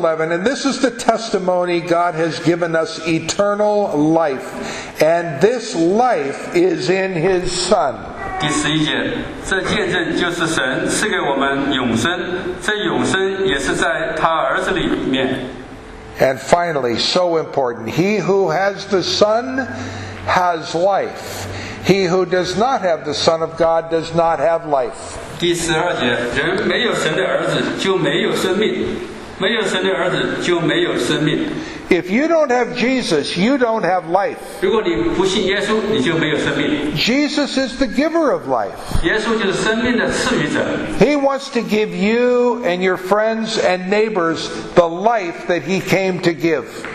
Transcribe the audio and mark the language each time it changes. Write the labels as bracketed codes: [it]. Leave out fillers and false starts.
[en] and this is the testimony God has given us eternal life, and this life is in His Son. [zh] 第十一节，这见证就是神赐给我们永生，这永生也是在他儿子里面。And [en] finally, so important, he who has the Son has life. He who does not have the Son of God does not have life. [zh] 第十二节，人没有神的儿子就没有生命，没有神的儿子就没有生命。 [en] If you don't have Jesus, you don't have life. [zh] 如果你不信耶稣，你就没有生命。 [en] Jesus is the giver of life. [zh] 耶稣就是生命的赐予者。 [en] He wants to give you and your friends and neighbors the life that He came to give.